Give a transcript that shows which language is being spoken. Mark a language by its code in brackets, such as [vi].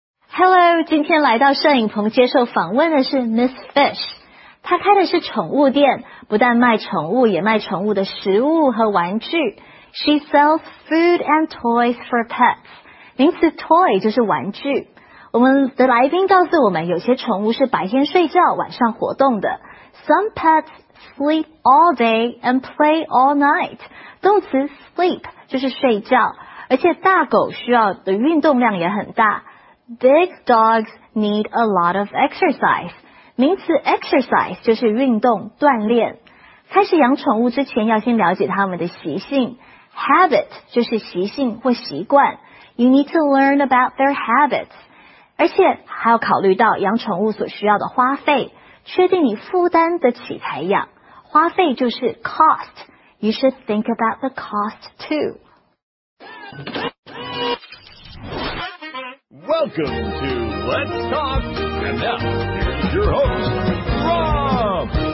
[zh] Hello, 今天来到摄影棚接受访问的是 Miss Fish。她开的是宠物店，不但卖宠物，也卖宠物的食物和玩具。 [en] She sells food and toys for pets。 [zh] 名词 toy 就是玩具。我们的来宾告诉我们，有些宠物是白天睡觉，晚上活动的。 [en] Some pets sleep all day and play all night。 [zh] 动词 sleep 就是睡觉，而且大狗需要的运动量也很大。 [en] Big dogs need a lot of exercise. [zh] 名词 exercise 就是运动、锻炼。开始养宠物之前要先了解它们的习性。 Habit 就是习性或习惯。 [en] You need to learn about their habits. [zh] 而且还要考虑到养宠物所需要的花费，确定你负担得起才养。花费就是 cost. [en] You should think about the cost too. Welcome to Let's Talk. And now, here's your host, Rob.